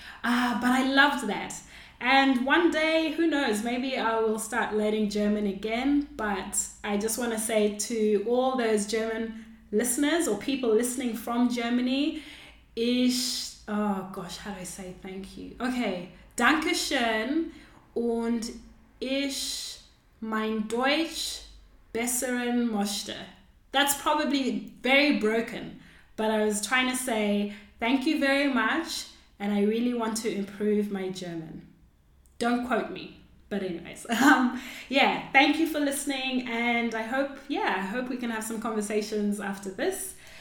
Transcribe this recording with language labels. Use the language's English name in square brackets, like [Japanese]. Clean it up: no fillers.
[English] But I loved that. And one day, who knows, maybe I will start learning German again. But I just want to say to all those German listeners or people listening from Germany, how do I say thank you? [German] Okay, danke schön und ich mein Deutsch besseren möchte. [English] That's probably very broken, but I was trying to say thank you very much, and I really want to improve my German. Don't quote me, but anyways, yeah, thank you for listening, and I hope we can have some conversations after this.